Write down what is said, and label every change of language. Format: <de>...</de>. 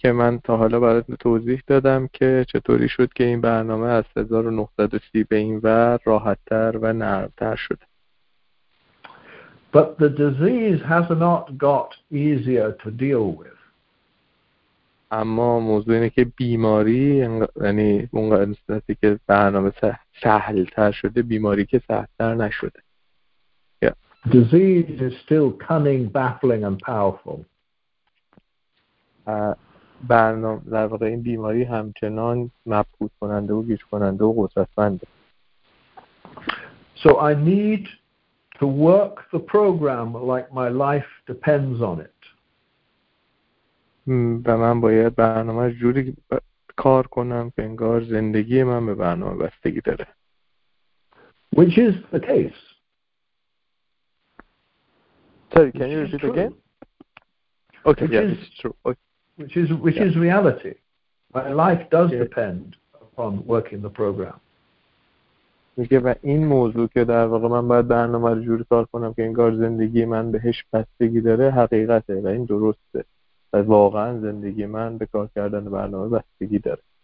<fa>یکی من تا حالا برات توضیح دادم که چطوری شد که این برنامه از 1930 به این ور راحت‌تر و نرم‌تر شد.</fa> <en>But the disease has not got easier to deal with.</en> <fa>اما موضوع اینه که بیماری، یعنی اون قسمتی که برنامه سهل‌تر شده، بیماری که سهل‌تر نشده.</fa> <en>Yeah. Disease is still cunning, baffling and powerful.</en> <fa>برنامه در واقع این بیماری همچنان مبهوت کننده و گیج کننده و قدرتمنده.</fa> <en>So I need to work the program like my life depends on it.</en> <fa>و من باید برنامه جوری کار کنم که انگار زندگی من به برنامه بستگی داره.</fa> <en>Which is the case. Sorry, can you repeat again? Okay, yeah, it's true. Which is reality. My life does depend upon working the program.</en> <fa>میگه و این موضوع که در واقع من باید برنامه رو جوری کار کنم که انگار زندگی من بهش بستگی داره حقیقته و این درسته. از واقعا زندگی من به کار کردن برنامه بستگی داره.</fa>